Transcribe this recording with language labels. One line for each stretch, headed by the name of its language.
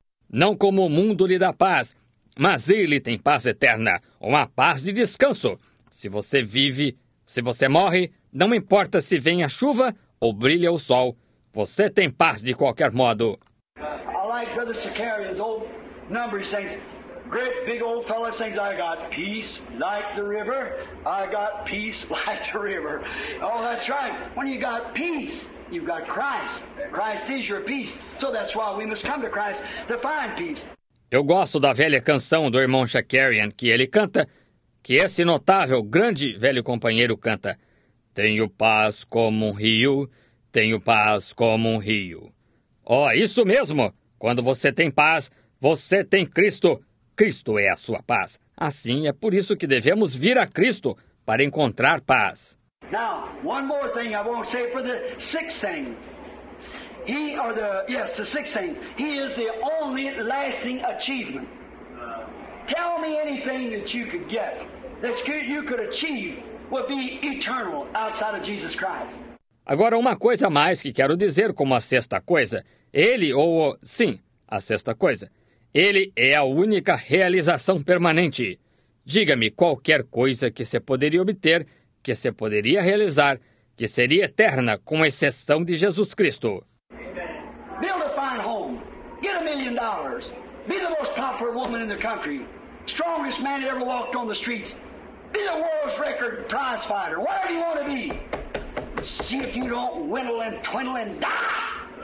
Portuguese: Não como o mundo lhe dá paz, mas Ele tem paz eterna, uma paz de descanso. Se você vive, se você morre, não importa se vem a chuva ou brilha o sol, você tem paz de qualquer modo.
English: I like Brother Sakarian's old number, he says. Great big old fellow sings, I got peace like the river. I got peace like the river. Oh, that's right. When you got peace, you've got Christ. Christ is your peace. So that's why we must come to Christ to find peace.
Portuguese: Eu gosto da velha canção do irmão Sakarian que ele canta, que esse notável, grande, velho companheiro canta. Tenho paz como um rio, tenho paz como um rio. Oh, isso mesmo. Quando você tem paz, você tem Cristo. Cristo é a sua paz. Assim, é por isso que devemos vir a Cristo para encontrar paz.
English: Now, one more thing I want to say for the sixth thing. The sixth thing. He is the only lasting achievement. Tell me anything that you could get, that you could achieve, would be eternal outside of Jesus Christ.
Portuguese: Agora, uma coisa a mais que quero dizer como a sexta coisa. Ele ou... Sim, a sexta coisa. Ele é a única realização permanente. Diga-me qualquer coisa que você poderia obter, que você poderia realizar, que seria eterna, com exceção de Jesus Cristo.
English: Build a fine home. Get $1 million. Be the most popular woman in the country. Strongest man that ever walked on the streets. Be the world's record prize fighter. Whatever you want to be. See if you don't whittle and twindle and die.